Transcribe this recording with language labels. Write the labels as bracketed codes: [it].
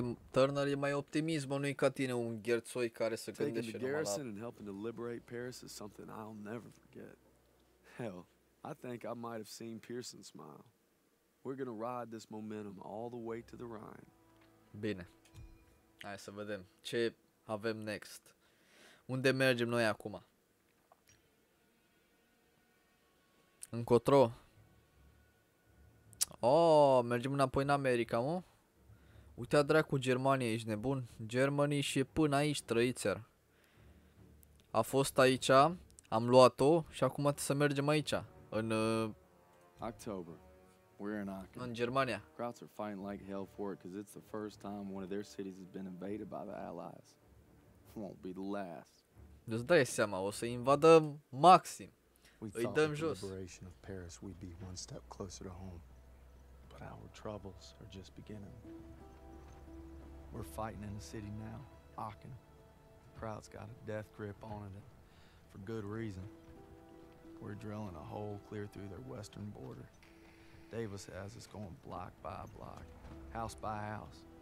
[ro] Turner e mai optimism, nu-i ca tine un gherțoi care să gândește numai la... [en] Taking the garrison and helping to liberate Paris is something I'll never forget. Hell, I think I might have seen Pearson smile. We're gonna ride this momentum all the way to the Rhine. [ro] Bine. Hai să vedem ce avem next. Unde mergem noi acum? Încotro? Oh, mergem înapoi în America, mă? Uite-a dracu, Germania, ești nebun? Germany și până aici, trăițer. A fost aici, am luat-o și acum trebuie să mergem aici, în... [en] October. We're in Aachen. [ro] În Germania. [en] Crowds are fighting like hell for it, because it's the first time one of their cities has been invaded by the Allies. Won't be the last. [ro] Îți dai seama, o să invadăm maxim. Îi dăm jos. [en] With the liberation of Paris, we'd be one step closer to home. But our troubles are just beginning. We're fighting in the city now, Aachen. The crowd's got a death grip on it, and for good reason. We're drilling a hole clear through their western border. Davis has us going block by block, house by house.